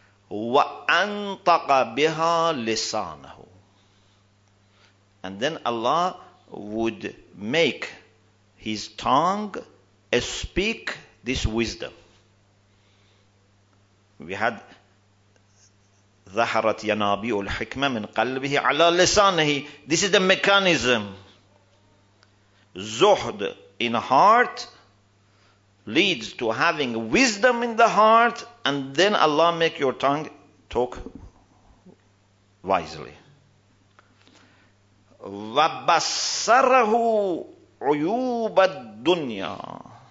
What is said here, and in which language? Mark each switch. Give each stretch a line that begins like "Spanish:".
Arabic: وأنطق بها لسانه.
English: And then Allah would make his tongue speak this wisdom. We had
Arabic: ظهرت ينابيع الحكمة من قلبه على لسانه.
English: This is the mechanism. Zuhd in heart leads to having wisdom in the heart, and then Allah make your tongue talk wisely.
Arabic: وبصره عيوب الدنيا.